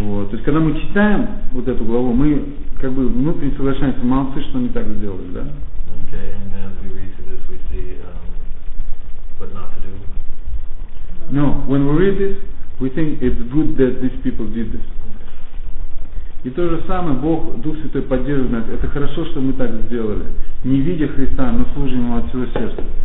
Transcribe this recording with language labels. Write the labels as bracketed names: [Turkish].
[Russian] То есть, когда мы читаем вот эту главу, мы как бы внутренне соглашаемся, молодцы, что они так сделали, да? [English] Okay, and as we read through this, we see what not to do. No, when we read this, we think it's good that these people did this. [Russian] И то же самое Бог, Дух Святой поддерживает нас. Это хорошо, что мы так сделали. Не видя Христа, но служим Ему от всего сердца.